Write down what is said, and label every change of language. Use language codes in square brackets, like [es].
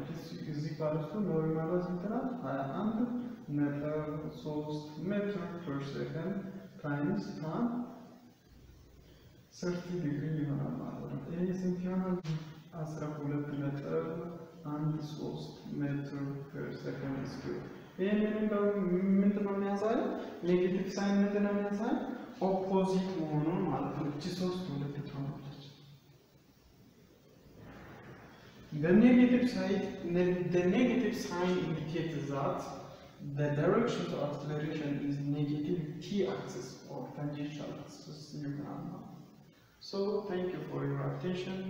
[en] This is equal to normal as it is 200 meter 3 meter per second times tan 30 [am] ዲግሪ ይሆናል ማለት ነው። ይሄ ስንት ይሆናል? 12 ሜትር 13 ሜትር [en] per second square። [am] ይሄ ምንድን ነው የሚያሳየው? ኔጌቲቭ ሳይን ምንድን ነው የሚያሳየው? ኦፖዚት ሆኖ ማለት ነው። እቺ 3 2 ትሆናለች። በኔጌቲቭ ሳይን [en] the negative sign indicates that the direction of acceleration is negative t axis or tangential axis [am] ይሆናል ማለት ነው። [en] So thank you for your attention.